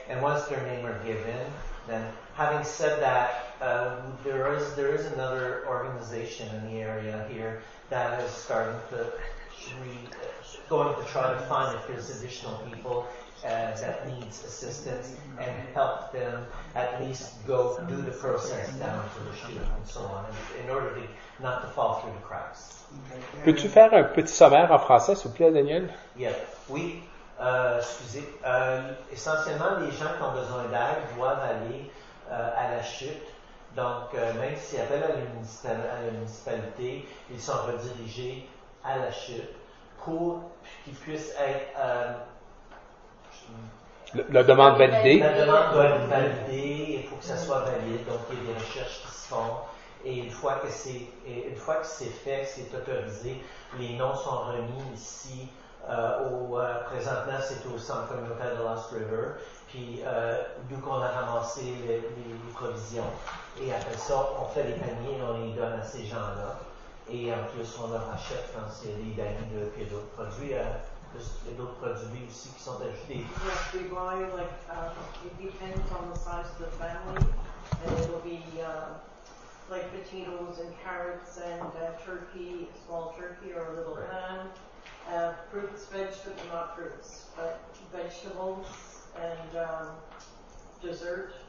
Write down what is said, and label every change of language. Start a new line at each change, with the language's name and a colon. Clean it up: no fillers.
English: And once their name are given, then having said that, there is another organization in the area here that is starting to, going to try to find if there's additional people that needs assistance and help them at least go do the process down to the shoot and so on in order to not to fall through the cracks.
French: Peux-tu faire un petit sommaire en français, s'il vous plaît, Daniel?
English: Yeah.
French: Oui. Excusez. Essentiellement, les gens qui ont besoin d'aide doivent aller à la chute. Donc, même s'ils appellent à la municipalité, ils sont redirigés à la chute pour qu'ils puissent être... La demande validée. La demande doit être validée et pour que ça soit valide. Donc, il y a des recherches qui se font. Et une fois que c'est fait, c'est autorisé, les noms sont remis ici. Présentement, c'est au centre communautaire de Lost River. Puis, d'où qu'on a ramassé les provisions. Et après ça, on fait les paniers et on les donne à ces gens-là. Et en plus, on leur achète quand c'est des paniers de pied d'autres produits. Et d'autres produits aussi qui sont ajoutés.
English: Yes, we buy, like, it depends on the size of the family, and it'll be, like, potatoes and carrots and turkey, small turkey or a little lamb, fruits, vegetables, not fruits, but vegetables and dessert.